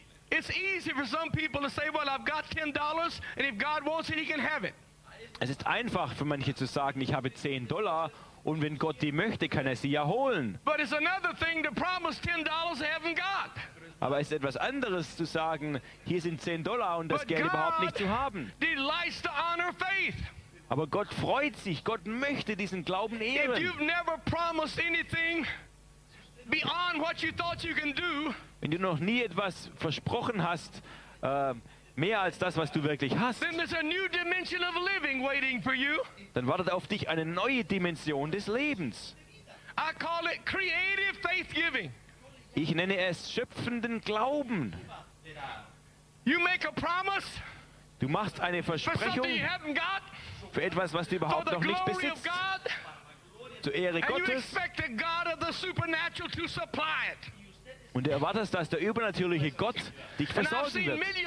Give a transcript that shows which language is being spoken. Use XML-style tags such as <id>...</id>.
<en>It's easy for some people to say, "Well, I've got $10, and if God wants it, He can have it."</en> <de>Es ist einfach für manche zu sagen, ich habe $10. Und wenn Gott die möchte, kann er sie ja holen.</de> <en>But it's another thing to promise $10 to heaven God.</en> <de>Aber es ist etwas anderes zu sagen, hier sind $10 und das</de> <en>But</en> <de>Geld</de> <en>God</en> <de>überhaupt nicht zu haben.</de> <en>Delights to honor faith.</en> <de>Aber Gott freut sich, Gott möchte diesen Glauben ehren.</de> <en>If you've never promised anything beyond what you thought you can do,</en> <de>wenn du noch nie etwas versprochen hast, mehr als das, was du wirklich hast,</de> <en>then there's a new dimension of living waiting for you.</en> <de>Dann wartet auf dich eine neue Dimension des Lebens.</de> <en>I call it creative faith giving.</en> <de>Ich nenne es schöpfenden Glauben.</de> <en>You make a promise,</en> <de>du machst eine Versprechung</de> <en>for something you haven't got,</en> <de>für etwas, was du überhaupt</de> <en>for the</en> <de>noch nicht</de> <en>glory</en> <de>besitzt,</de> <en>of God,</en> <de>zur Ehre</de> <en>and</en> <de>Gottes.</de> <en>You expect the God of the supernatural to supply it.</en> <de>Und du erwartest, dass der übernatürliche Gott dich versorgen wird.</de>